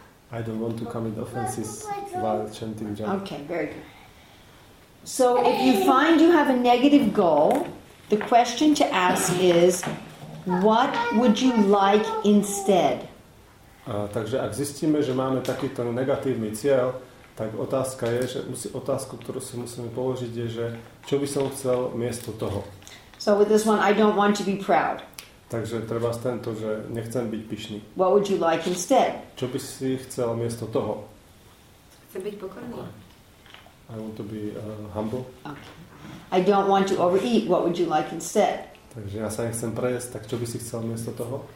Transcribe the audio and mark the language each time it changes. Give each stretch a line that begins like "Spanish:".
English: I don't want to commit offenses while chanting jump. Okay, very good. So if you find you have a negative goal, the question to ask is, what would you like instead?
Slovak: Takže ak zistíme, že máme takýto negatívny cieľ, tak otázka je, že otázku, ktorú si musíme položiť, je, že čo by som chcel miesto toho.
English: So with this one, I don't want to be proud.
Slovak: Takže treba s tento, že nechcem byť pyšný.
English: What would you like instead?
Slovak: Čo by si chcel miesto toho? Chcem byť pokorný.
English: I want to be humble. Okay. I don't want to overeat. What would you like instead?
Slovak: Takže ja sa nechcem prejesť, tak čo by si chcel miesto toho?